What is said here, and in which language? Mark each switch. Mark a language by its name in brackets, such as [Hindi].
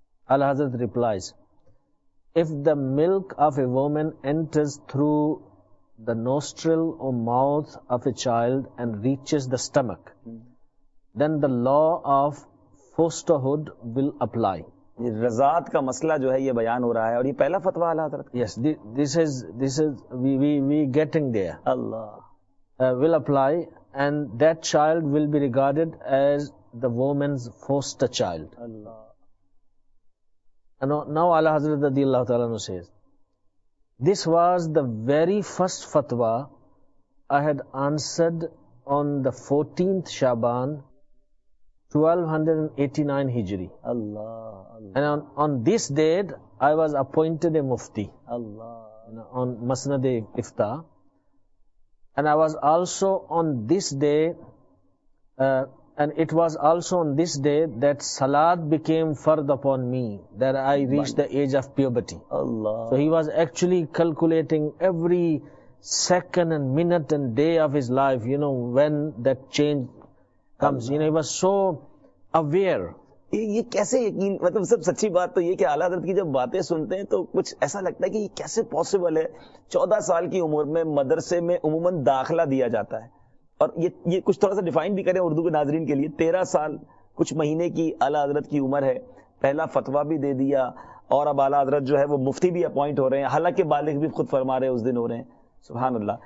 [English] Al-Hazrat replies, if the milk of a woman enters through the nostril or mouth of a child and reaches the stomach, then the law of fosterhood will apply. [Hindi] रज़ात का मसला जो है ये बयान हो रहा है और ये पहला फतवा अल्लाह तआला का. [English] Yes, this is we getting there. Allah will apply. And that child will be regarded as the woman's foster child. Allah. And now Allah Hazrat radiallahu ta'ala says, this was the very first fatwa I had answered on the 14th Shaban, 1289 Hijri. Allah. And on this date, I was appointed a mufti. Allah. On Masnad-e-Ifta. And I was also on this day, and it was also on this day that Salat became fard upon me, that I reached the age of puberty. Allah. So he was actually calculating every second and minute and day of his life, you know, when that change comes. Allah. You know, he was so aware. [Hindi] ये कैसे यकीन, मतलब सब सच्ची बात तो ये कि आला हज़रत की जब बातें सुनते हैं तो कुछ ऐसा लगता है कि ये कैसे पॉसिबल है. 14 साल की उम्र में मदरसे में उमूमन दाखला दिया जाता है, और ये कुछ थोड़ा सा डिफाइन भी करें उर्दू के नाज़रीन के लिए. 13 साल कुछ महीने की आला हज़रत की उम्र है, पहला फतवा भी दे दिया, और अब आला हज़रत जो है वो मुफ्ती भी अपॉइंट हो रहे हैं, हालांकि बालिग भी खुद फरमा रहे उस दिन हो रहे हैं. सुभान अल्लाह.